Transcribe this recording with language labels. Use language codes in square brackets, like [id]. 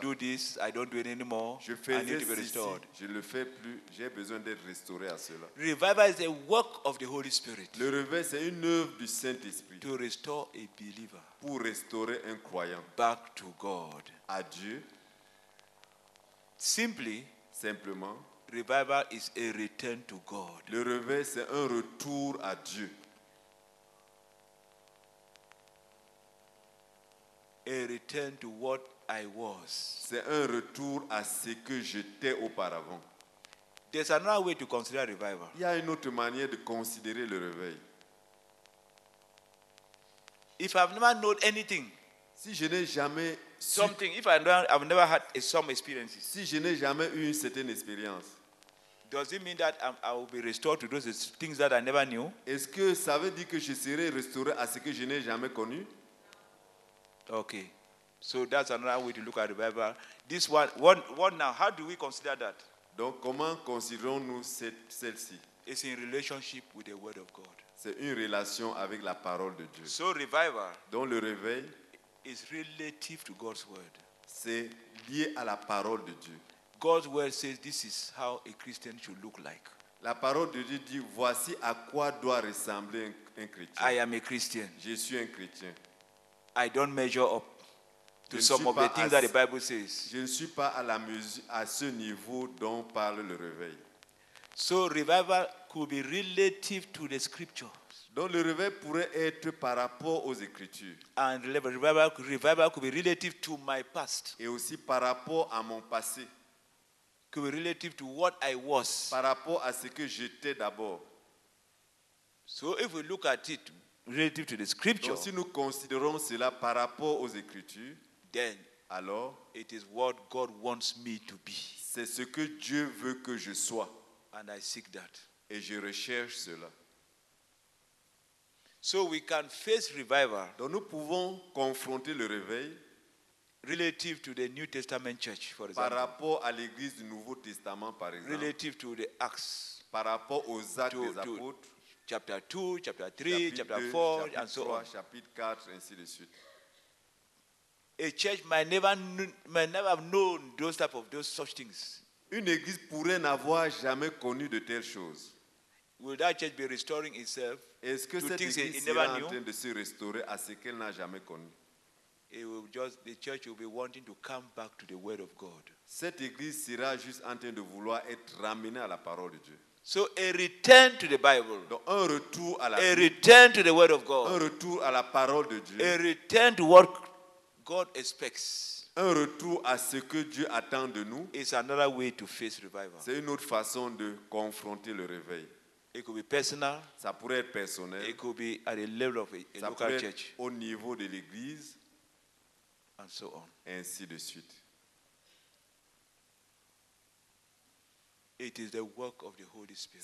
[en] To do this, I don't do it anymore. [fr] Je fais [en] I need to be restored. [fr] Je le fais plus. J'ai besoin d'être restauré à cela. [en] Revival is a work of the Holy Spirit. [fr] Le réveil c'est une œuvre du Saint-Esprit. [en] To restore a believer. [fr] Pour restaurer un croyant. [en] Back to God. [fr] À Dieu. [en] Simplement, revival is a return to God. [fr] Le réveil c'est un retour à Dieu. [en] A return to what I was. [fr] C'est un retour à ce que j'étais auparavant. [en] There's another way to consider revival. [fr] Il y a une autre manière de considérer le réveil. [en] If I've never known anything, [fr] si je n'ai jamais [en] something, if I've never had some experiences, [fr] si je n'ai jamais eu une certaine expérience, [en] does it mean that I will be restored to those things that I never knew? [fr] Est-ce que ça veut dire que je serai restauré à ce que je n'ai jamais connu? [en] Okay, so that's another way to look at revival. This one now, how do we consider that? [fr] Donc, comment considérons-nous celle-ci? [en] It's in relationship with the Word of God. [fr] C'est une relation avec la parole de Dieu. [en] So, revival. [fr] Donc, le réveil. [en] Is relative to God's Word. [fr] C'est lié à la parole de Dieu. [en] God's word says this is how a Christian should look like. [fr] La parole de Dieu dit voici à quoi doit ressembler un chrétien. [en] I am a Christian. [fr] Je suis un chrétien. [en] I don't measure up to some of the things that the Bible says. [fr] Je ne suis pas à la mesure à ce niveau dont parle le réveil. [en] So revival could be relative to the scriptures. [fr] Donc le réveil pourrait être par rapport aux écritures. [en] And revival could be relative to my past. [fr] Et aussi par rapport à mon passé. [en] Could be relative to what I was. [fr] Par rapport à ce que j'étais d'abord. [en] So if we look at it relative to the scripture. [fr] Donc si nous considérons cela par rapport aux écritures, [en] then [fr] alors [en] it is what God wants me to be. [fr] C'est ce que Dieu veut que je sois. [en] And I seek that. [fr] Et je recherche cela. [en] So we can face revival. [fr] Donc nous pouvons confronter le réveil [en] relative to the New Testament church, for example. [fr] Par rapport à l'église du Nouveau Testament, par exemple. [en] Relative to the Acts. [fr] Par rapport aux Actes des apôtres. [en] Chapter 2, chapter 3, chapter 4, and so on. [fr] Chapitre 4, ainsi de suite. [en] A church might never have known those type of those such things. [fr] Une église pourrait n'avoir jamais connu de telles choses. [en] Will that church be restoring itself? [fr] Est-ce que cette église sera en train de se restaurer à ce qu'elle n'a jamais connu? [en] It will just, the church will be wanting to come back to the word of God. [fr] Cette église sera juste en train de vouloir être ramenée à la parole de Dieu. [en] So a return to the Bible. [fr] Donc un retour à la [en] Bible. A return to the word of God. [fr] Un retour à la parole de Dieu. [en] A return to what God expects. [fr] Un retour à ce que Dieu attend de nous. [en] It's another way to face revival. [fr] C'est une autre façon de confronter le réveil. [en] It could be personal. [fr] Ça pourrait être personnel. [en] It could be at the level of a local church. [fr] Au niveau de l'église. [en] And so on. [fr] Ainsi de suite. [en] It is the work of the Holy Spirit.